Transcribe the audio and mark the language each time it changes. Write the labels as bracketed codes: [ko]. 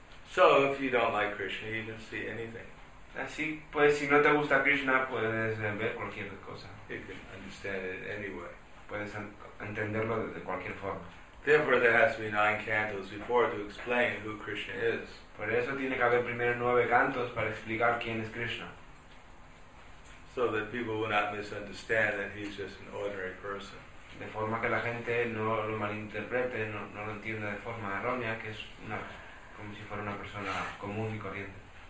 [en] So if you don't like Krishna, you can see anything. [es] Así, pues, si no te gusta Krishna, puedes ver cualquier cosa. [en] You can understand it anyway. [es] Puedes entenderlo de cualquier forma. [en] Therefore, there has to be 9 cantos before to explain who Krishna is. [es] Por eso tiene que haber primero 9 cantos para explicar quién es Krishna. [en] So that people will not misunderstand that he's just an ordinary person. [es] De forma que la gente no lo malinterprete, no lo entienda de forma errónea, que es una como si fuera una persona común y corriente.